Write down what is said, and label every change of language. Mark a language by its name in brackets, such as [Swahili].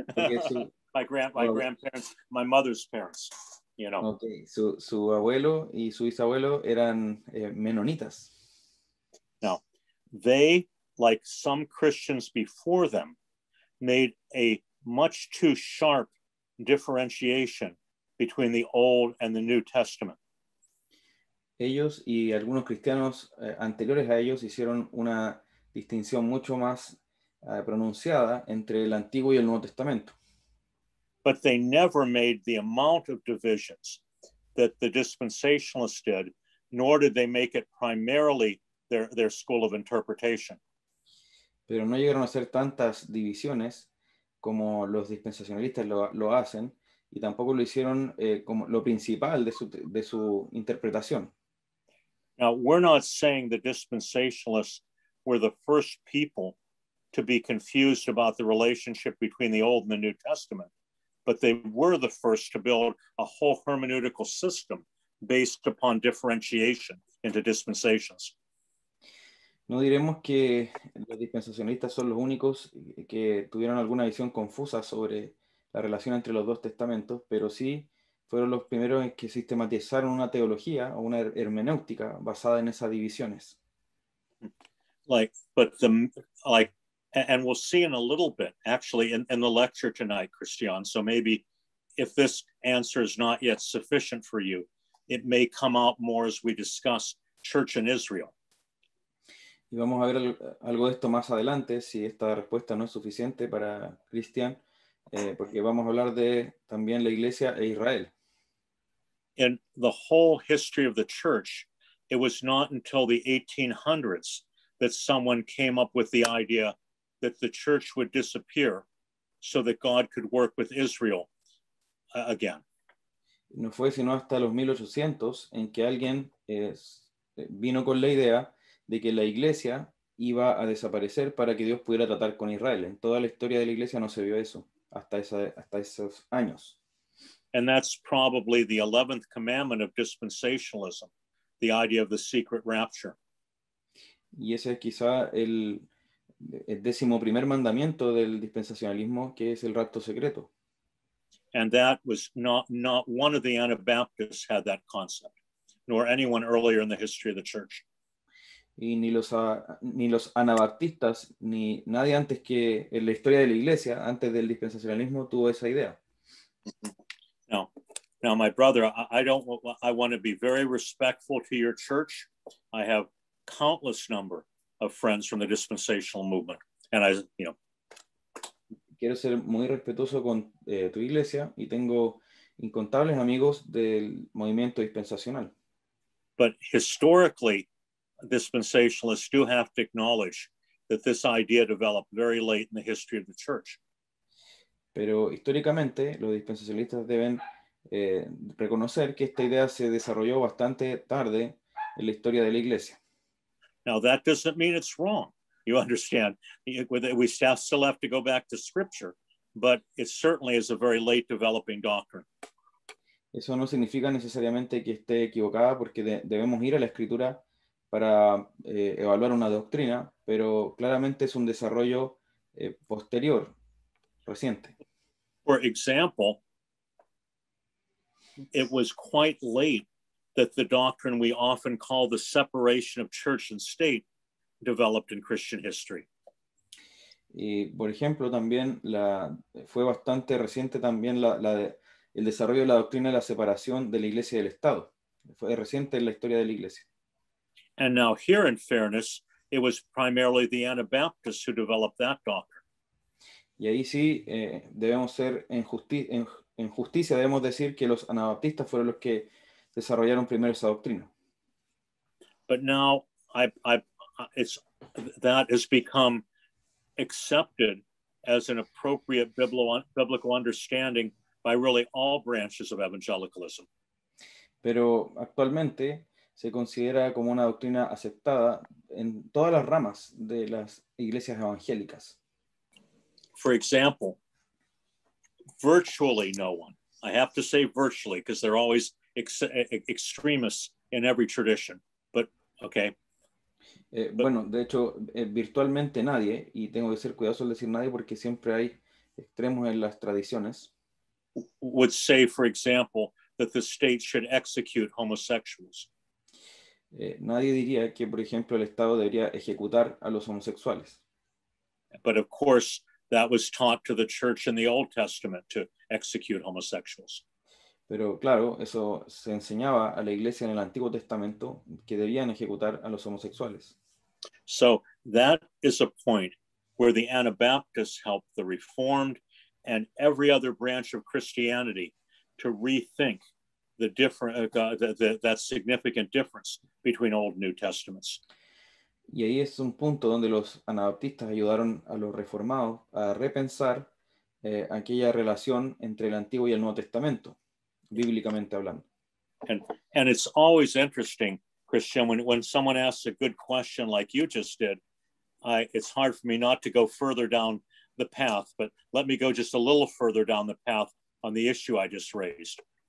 [English] Okay, so, my grandparents, my mother's parents, you know. Okay, so [Spanish] su abuelo y su bisabuelo eran menonitas. [English] Now, they, like some Christians before them, made a much too sharp differentiation between the Old and the New Testament. [Spanish] Ellos y algunos cristianos anteriores a ellos hicieron una distinción mucho más pronunciada entre el Antiguo y el Nuevo Testamento. [English] But they never made the amount of divisions that the dispensationalists did, nor did they make it primarily their school of interpretation. [Spanish] Pero no llegaron a hacer tantas divisiones como los dispensacionalistas lo hacen, y tampoco lo hicieron como lo principal de su interpretación. [English] Now, we're not saying the dispensationalists were the first people to be confused about the relationship between the Old and the New Testament, but they were the first to build a whole hermeneutical system based upon differentiation into dispensations. [Spanish] No diremos que los dispensacionalistas son los únicos que tuvieron alguna visión confusa sobre la relación entre los dos testamentos, pero sí fueron los primeros que sistematizaron una teología o una hermenéutica basada en esas divisiones. [English] And we'll see in a little bit, actually, in the lecture tonight, Christian. So maybe if this answer is not yet sufficient for you, it may come out more as we discuss church and Israel. [Spanish] Y vamos a ver algo de esto más adelante, si esta respuesta no es suficiente para Cristian, porque vamos a hablar de también la iglesia e Israel. [English] In the whole history of the church, it was not until the 1800s that someone came up with the idea that the church would disappear so that God could work with Israel again. [Spanish] No fue sino hasta los 1800 en que alguien vino con la idea de que la iglesia iba a desaparecer para que Dios pudiera tratar con Israel. En toda la historia de la iglesia no se vio eso hasta esos años. [English] And that's probably the 11th commandment of dispensationalism, the idea of the secret rapture. [Spanish] Y ese es quizá el décimo primer mandamiento del dispensacionalismo, que es el rapto secreto. [English] And that was not one of the Anabaptists had that concept, nor anyone earlier in the history of the church. [Spanish] Y ni los anabaptistas ni nadie antes que en la historia de la iglesia, antes del dispensacionalismo, tuvo esa idea. [English] Now, my brother, I want to be very respectful to your church. I have countless number of friends from the dispensational movement, and I, [Spanish] Quiero ser muy respetuoso con tu iglesia y tengo incontables amigos del movimiento dispensacional. [English] But historically, dispensationalists do have to acknowledge that this idea developed very late in the history of the church. [Spanish] Pero históricamente, los dispensacionalistas deben reconocer que esta idea se desarrolló bastante tarde en la historia de la iglesia. [English] Now, that doesn't mean it's wrong. You understand, we still have to go back to scripture, but it certainly is a very late developing doctrine. [Spanish] Eso no significa necesariamente que esté equivocada, porque debemos ir a la escritura para evaluar una doctrina, pero claramente es un desarrollo posterior, reciente. [English] For example, it was quite late that the doctrine we often call the separation of church and state developed in Christian history. [Spanish] Y por ejemplo, también fue bastante reciente también el desarrollo de la doctrina de la separación de la iglesia y del Estado. Fue reciente en la historia de la iglesia. [English] And now here, in fairness, it was primarily the Anabaptists who developed that doctrine. [Spanish] Y ahí sí, debemos ser en justicia debemos decir que los anabaptistas fueron los que desarrollaron primero esa doctrina. [English] But now that has become accepted as an appropriate biblical understanding by really all branches of evangelicalism. [Spanish] Pero actualmente se considera como una doctrina aceptada en todas las ramas de las iglesias evangélicas. [English] For example, virtually no one. I have to say virtually because there are always extremists in every tradition. But okay. [Spanish] Bueno, de hecho, virtualmente nadie, y tengo que ser cuidadoso al decir nadie porque siempre hay extremos en las tradiciones. [English] Would say, for example, that the state should execute homosexuals. [Spanish] Nadie diría que, por ejemplo, el Estado debería ejecutar a los homosexuales. [English] But of course, that was taught to the church in the Old Testament to execute homosexuals. [Spanish] Pero claro, eso se enseñaba a la iglesia en el Antiguo Testamento que debían ejecutar a los homosexuales. [English] So that is a point where the Anabaptists helped the Reformed and every other branch of Christianity to rethink that significant difference between Old and New Testaments. [Spanish] Y ahí es un punto donde los anabaptistas ayudaron a los reformados a repensar aquella relación entre el Antiguo y el Nuevo Testamento, bíblicamente hablando. [English] And it's always interesting, Christian, when someone asks a good question like you just did, it's hard for me not to go further down the path, but let me go just a little further down the path on the issue I just raised.